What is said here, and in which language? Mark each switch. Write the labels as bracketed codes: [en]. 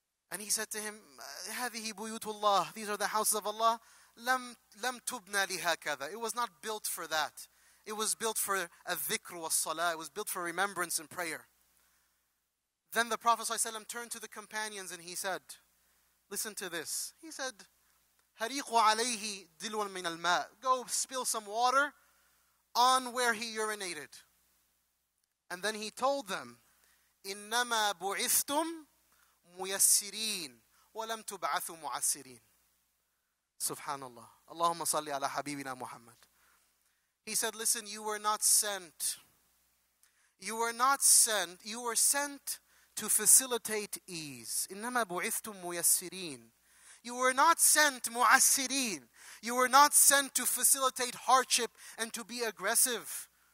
[en] And he said to him, [ar] هَذِهِ بُيُوتُ اللَّهِ. [en] These are the houses of Allah. [ar] لم تبنى لهكذا. [en] It was not built for that. It was built for a dhikr wa salah. It was built for remembrance and prayer. Then the Prophet ﷺ turned to the companions and he said, listen to this. He said, [ar] هَرِيقُ عَلَيْهِ دِلْوًا مِنَ الْمَاءِ. [en] Go spill some water on where he urinated. And then he told them, [ar] إِنَّمَا بُعِثْتُمْ مُيَسِّرِينَ وَلَمْ تُبْعَثُوا مُعَسِّرِينَ. Subhanallah. Allahumma salli ala habibina Muhammad. [en] He said, listen, you were not sent. You were not sent. You were sent to facilitate ease. [ar] إِنَّمَا بُعِثْتُمْ مُيَسِّرِينَ. [en] You were not sent مُعَسِّرِينَ. You were not sent to facilitate hardship and to be aggressive.